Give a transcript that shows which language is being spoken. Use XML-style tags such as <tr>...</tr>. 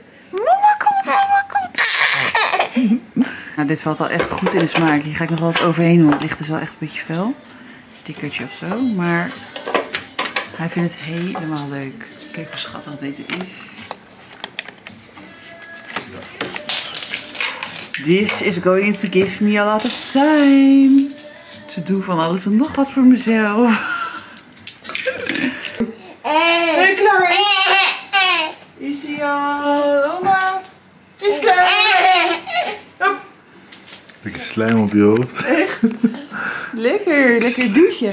<nl>Mama komt. Nou, dit valt al echt goed in de smaak. Hier ga ik nog wel wat overheen doen. Het ligt dus wel echt een beetje fel. Stickertje of zo. Maar hij vindt het helemaal leuk. Kijk hoe schattig dit is.</nl> <en>This is going to give me a lot of time. To do</en> <nl>van alles en nog wat voor mezelf. Hey Clarence. Is hij al? Oma. Is Clarence. Lekker slijm op je hoofd. Echt? Lekker. Lekker douche.</nl>